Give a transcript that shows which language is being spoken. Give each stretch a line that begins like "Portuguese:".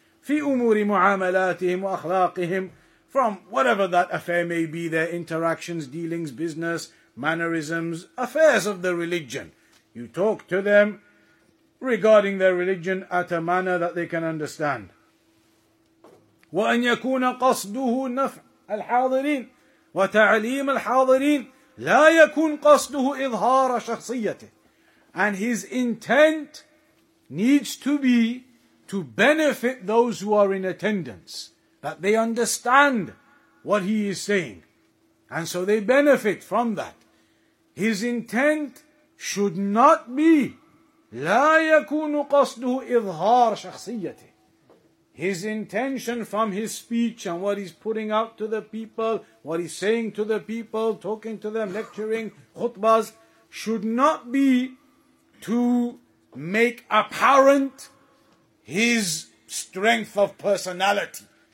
Arabic: في أمور معاملاتهم وأخلاقهم,
English: from whatever that affair may be, their interactions, dealings, business, mannerisms, affairs of the religion. You talk to them regarding their religion at a manner that they can understand.
Arabic: وأن يكون قصده نفع الحاضرين وتعليم الحاضرين لا يكون قصده إظهار شخصيته.
English: And his intent needs to be to benefit those who are in attendance, that they understand what he is saying. And so they benefit from that. His intent should not be
Arabic: لا يكون قصده إظهار شخصيته.
English: His intention from his speech and what he's putting out to the people, what he's saying to the people, talking to them, lecturing, khutbas, should not be to make apparent his strength of personality.